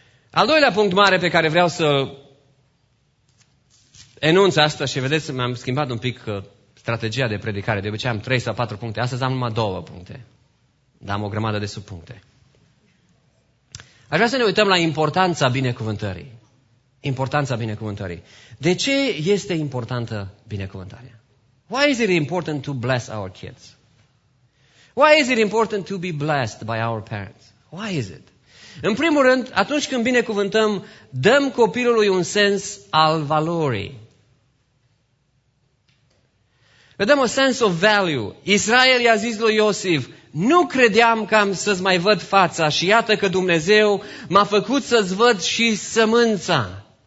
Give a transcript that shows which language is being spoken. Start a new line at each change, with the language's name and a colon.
Romanian: Al doilea punct mare pe care vreau să enunț astăzi, și vedeți, mi-am schimbat un pic strategia de predicare. De obicei am 3 sau 4 puncte. Astăzi am numai 2 puncte. Dar am o grămadă de subpuncte. Aș vrea să ne uităm la importanța binecuvântării. Importanța binecuvântării. De ce este importantă binecuvântarea?
English: Why is it important to bless our kids? Why is it important to be blessed by our parents? Why is it?
Romanian: În primul rând, atunci când binecuvântăm, dăm copilului un sens al valorii. Le dăm un
English: sense of value.
Romanian: Israel i-a zis lui Iosif, nu credeam că am să-ți mai văd fața și iată că Dumnezeu m-a făcut să-ți văd și sămânța.